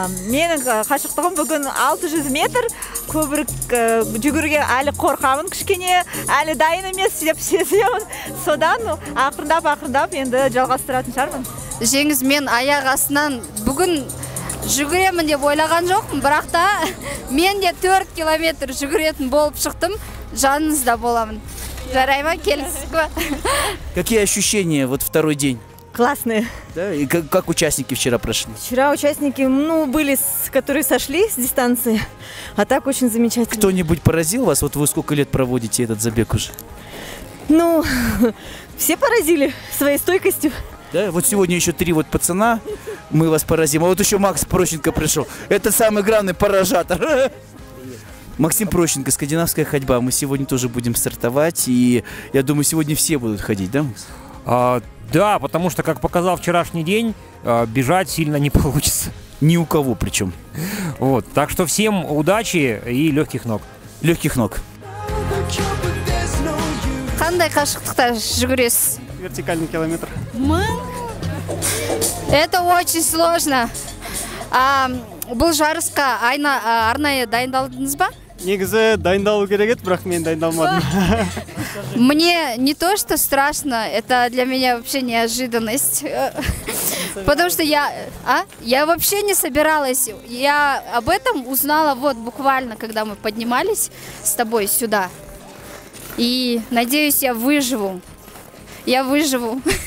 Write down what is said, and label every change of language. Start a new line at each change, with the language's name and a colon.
Kazakh: Менің қашықтығым бүгін 600 метр. Көбірек жүгіруден әлі қорқамын кішкене, әлі дайын емес деп сезіемін. Содан ақырындап-ақырындап енді жалғастыратын шығармын. Жеңіс, мен аяқ астынан бүгін жүгіремін деп ойлаған жоқпын, бірақ та мен де 4 километр жүгіретін болып шықтым. Жаныңызда боламын. Жарай ма, келісіп па?
Russian: Какие ощущения вот второй день? Классные. Да, и как участники вчера прошли? Вчера участники, ну, были, которые сошли с дистанции, а так очень замечательно. Кто-нибудь поразил вас? Вот вы сколько лет проводите этот забег уже? Ну, все поразили своей стойкостью. Да, вот сегодня еще 3 вот пацана, мы вас поразим. А вот еще Макс Прощенко пришел. Это самый главный поражатор. Максим Прощенко, скандинавская ходьба. Мы сегодня тоже будем стартовать, и я думаю, сегодня все будут ходить, да, Макс? Да, потому что, как показал вчерашний день, бежать сильно не получится. Ни у кого причем. Вот, так что всем удачи и легких ног. Легких ног.
Kazakh: Қандай қашықтықта жүгіресіз?
Russian: Вертикальный километр. Это очень сложно.
Kazakh: Бұл жарысқа арнайы дайындалдыңыз ба? Негізі дайындалу керек еді, бірақ мен дайындалмадым.
Russian: Мне не то, что страшно, это для меня вообще неожиданность. Потому что я вообще не собиралась. Я об этом узнала вот буквально, когда мы поднимались с тобой сюда. И надеюсь, я выживу. Я выживу.